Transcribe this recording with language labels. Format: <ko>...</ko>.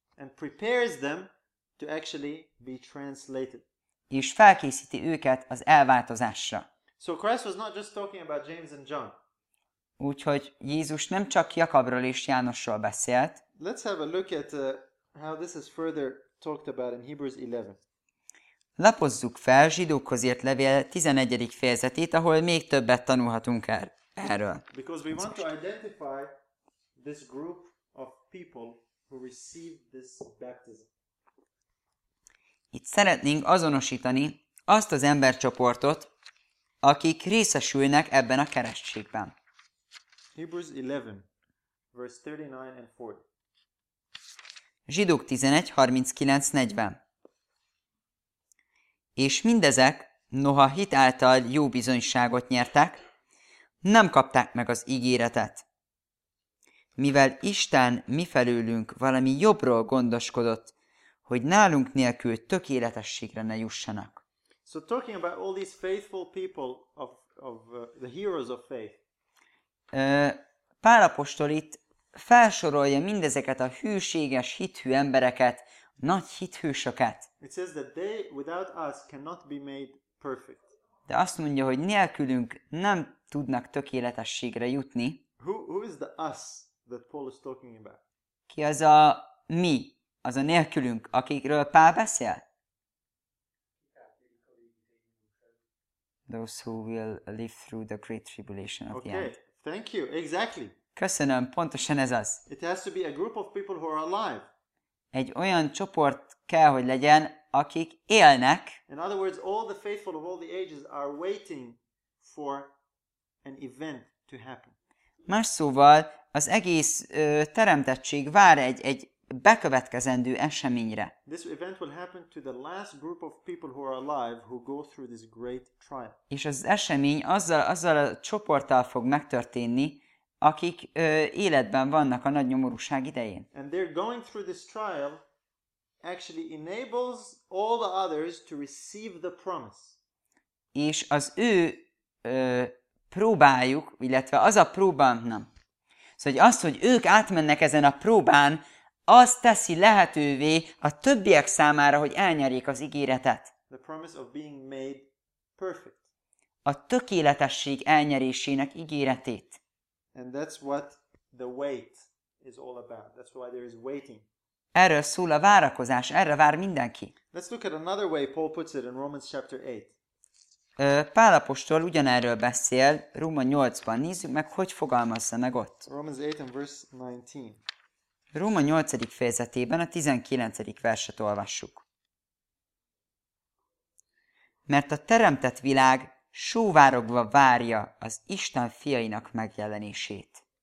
<en>And prepares them to actually be translated.</en> <hu>És felkészíti őket az elváltozásra.</hu> <en>So Christ was not just talking about James and John.</en> <hu>Úgyhogy Jézus nem csak Jakabról és Jánosról beszélt.</hu> <en>Let's have a look at how this is further talked about in Hebrews 11.</en> <hu>Lapozzuk fel Zsidókhoz írt levél 11. fejezetét, ahol még többet tanulhatunk erről.</hu> <en>Because we want to identify this group of people who received this baptism.</en> <hu>Itt szeretnénk azonosítani azt az embercsoportot, akik részesülnek ebben a keresztségben.</hu> <en>Hebrews 11, verse 39 and 40.</en> <hu>Zsidók 11, 39-40. És mindezek, noha hit által jó bizonyságot nyertek, nem kapták meg az ígéretet. Mivel Isten mifelőlünk valami jobbról gondoskodott, hogy nálunk nélkül tökéletességre ne jussanak.</hu> <en>So talking about all these faithful people of the heroes of faith.</en> <hu>Pál apostol itt felsorolja mindezeket a hűséges, hithű embereket, nagy hithősöket.</hu> <en>It says that they without us cannot be made perfect.</en> <hu>De azt mondja, hogy nélkülünk nem tudnak tökéletességre jutni.</hu> <en>Who is the us that Paul is talking about?</en> <hu>Ki az a mi, az a nélkülünk, akikről Pál beszél?</hu> <en>Those who will live through the great tribulation of the end. Okay, thank you. Exactly.</en> <hu>Köszönöm, pontosan ez az.</hu> <en>It has to be a group of people who are alive.</en> <hu>Egy olyan csoport kell, hogy legyen, akik élnek.</hu> <en>In other words, all the faithful of all the ages are waiting for an event to happen.</en> <hu>Más szóval, az egész teremtettség vár egy bekövetkezendő eseményre.</hu> <en>This event will happen to the last group of people who are alive who go through this great trial.</en> <hu>És az esemény azzal a csoporttal fog megtörténni, akik életben vannak a nagy nyomorúság idején.</hu> <en>And they're going through this trial actually enables all the others to receive the promise.</en> <hu>És az ő próbájuk, illetve az a próbán, nem. Szóval az, hogy ők átmennek ezen a próbán, az teszi lehetővé a többiek számára, hogy elnyerjék az ígéretet.</hu> <en>The promise of being made perfect.</en> <hu>A tökéletesség elnyerésének ígéretét.</hu> <en>And that's what the wait is all about. That's why there is waiting.</en> <hu>Erről szól a várakozás, erre vár mindenki.</hu> <en>Let's look at another way Paul puts it in Romans chapter 8.</en> <hu>Pál apostol ugyanerről beszél Róma 8-ban. Nézzük meg, hogy fogalmazza meg ott.</hu> <en>Romans 8 and verse 19.</en> <hu>Róma 8. fejezetében a 19. verset olvassuk. Mert a teremtett világ sóvárogva várja az Isten fiainak megjelenését.</hu>